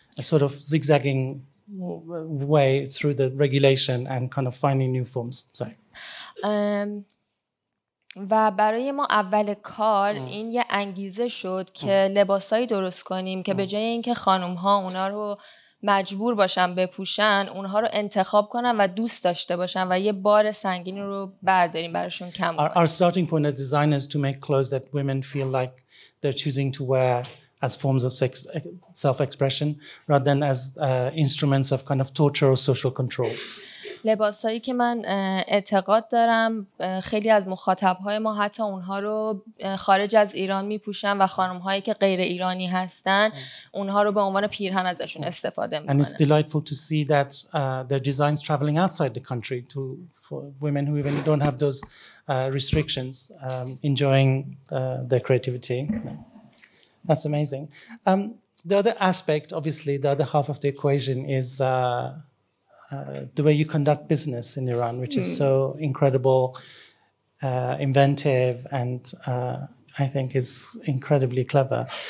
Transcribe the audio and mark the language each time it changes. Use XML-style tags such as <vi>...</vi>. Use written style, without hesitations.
<en>A sort of zigzagging way through the regulation and kind of finding new forms. Sorry.</en> <fa>و برای ما اول کار این یه انگیزه شد که لباسایی درست کنیم که به جای اینکه خانم‌ها اونا رو مجبور باشن بپوشن اونها رو انتخاب کنن و دوست داشته باشن و یه بار سنگین رو برداریم براشون کم کنیم.</fa> <en>Our starting point as designers to make clothes that women feel like they're choosing to wear as forms of sex, self-expression rather than as instruments of kind of torture or social control.</en> <fa>لباسایی که من اعتقاد دارم خیلی از مخاطبهای ما حتی اونها رو خارج از ایران میپوشن و خانمهایی که غیر ایرانی هستن اونها رو به عنوان پیرهن ازشون استفاده میکنن.</fa> <en>And it's delightful to see that their designs traveling outside the country to for women who even don't have those restrictions enjoying their creativity. That's amazing. The other aspect, obviously, the other half of the equation is the way you conduct business in Iran, which is so incredible, inventive, and I think is incredibly clever.</en>